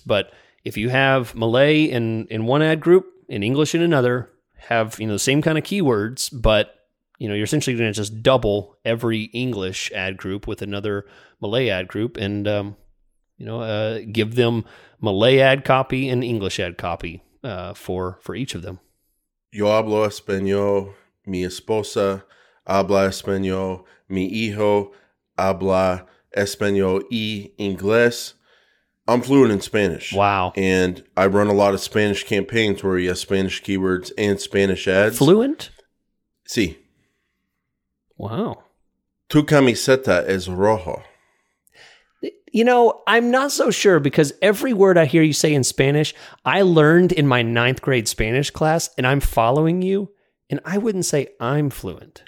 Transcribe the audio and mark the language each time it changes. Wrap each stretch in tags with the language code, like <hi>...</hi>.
<en>But if you have Malay in one ad group and English in another, have, you know, the same kind of keywords, but, you know, you're essentially going to just double every English ad group with another Malay ad group and, give them Malay ad copy and English ad copy for each of them.</en> <es>Yo hablo español, mi esposa habla español, mi hijo habla español y inglés.</es> <en>I'm fluent in Spanish. Wow. And I run a lot of Spanish campaigns where you have Spanish keywords and Spanish ads. Fluent?</en> <es>Sí.</es> <en>Wow.</en> <es>Tu camiseta es rojo.</es> <en>You know, I'm not so sure because every word I hear you say in Spanish, I learned in my ninth grade Spanish class and I'm following you and I wouldn't say I'm fluent.</en>